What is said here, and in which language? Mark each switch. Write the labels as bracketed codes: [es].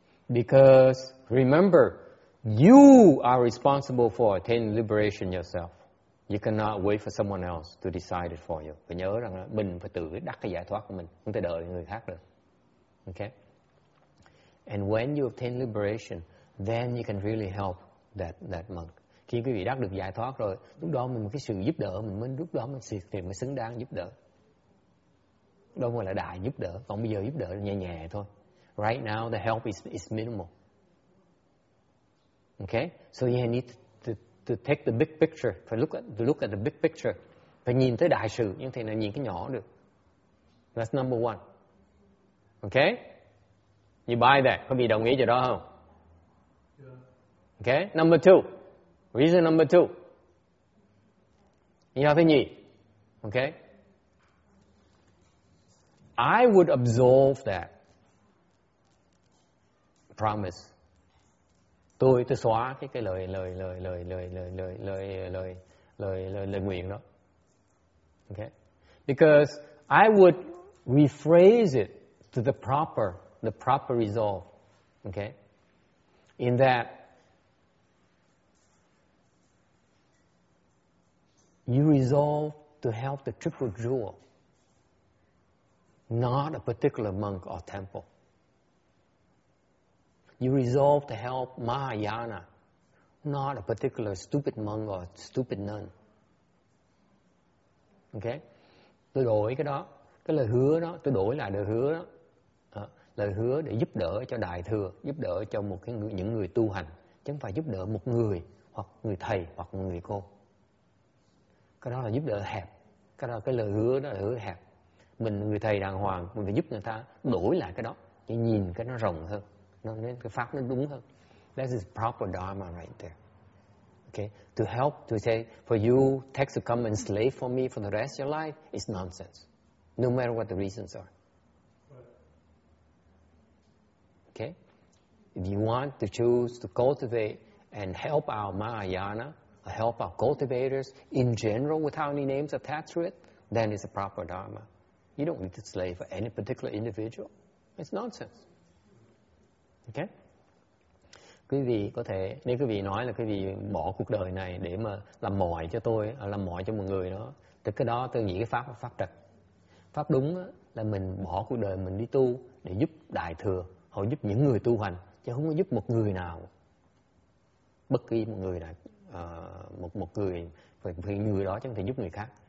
[en] Because, remember, you are responsible for attaining liberation yourself. You cannot wait for someone else to decide it for you. [vi] Phải nhớ rằng mình phải tự đắc cái giải thoát của mình, không thể đợi người khác được. [en] Okay? And when you obtain liberation, then you can really help that monk. [vi] Khi quý vị đắc được giải thoát rồi, lúc đó mình một cái sự giúp đỡ, mình mới lúc đó mình thì mới xứng đáng giúp đỡ. Đó gọi là đại giúp đỡ. Còn bây giờ giúp đỡ nhẹ nhẹ thôi. [en] Right now the help is minimal. Okay, so you need to take the big picture. [vi] Phải [en] look at the big picture. [vi] Phải nhìn tới đại sự, nhưng thế nào nhìn cái nhỏ được. [en] That's number one. Okay. You buy that? [vi] Có bị đồng ý cho đó không? [en] Yeah. Okay, number two. Reason number two. [vi] Lý do thứ nhì. Okay. [en] I would absolve that promise. [vi] Tôi xóa cái lời nguyện đó. [en] Okay. Because I would rephrase it to the proper resolve, okay, in that you resolve to help the triple jewel, not a particular monk or temple. You resolve to help Mahayana, not a particular stupid monk or stupid nun. [vi] Okay, tôi đổi cái đó, cái lời hứa đó, tôi đổi lại lời hứa đó. Lời hứa để giúp đỡ cho đại thừa, giúp đỡ cho một cái những người tu hành, chứ không phải giúp đỡ một người hoặc người thầy hoặc người cô. Cái đó là giúp đỡ hẹp. Cái đó là cái lời hứa đó là hứa hẹp. Mình người thầy đàng hoàng, mình phải giúp người ta đổi lại cái đó để nhìn cái nó rộng hơn, nên cái pháp nó đúng hơn. [en] That is proper dharma right there. okay, to help, to say, for you, tax to come and slave for me for the rest of your life, is nonsense, no matter what the reasons are. Okay? If you want to choose to cultivate and help our Mahayana, help our cultivators in general without any names attached to it, then it's a proper dharma. You don't need to slave for any particular individual. It's nonsense. Okay? [vi] Quý vị có thể, nếu quý vị nói là quý vị bỏ cuộc đời này để mà làm mồi cho tôi, làm mồi cho một người đó, thì cái đó tôi nghĩ cái pháp là pháp trật. Pháp đúng là mình bỏ cuộc đời mình đi tu để giúp đại thừa, hoặc giúp những người tu hành, chứ không có giúp một người nào, bất kỳ một người nào, một người, phải người đó chứ không thể giúp người khác.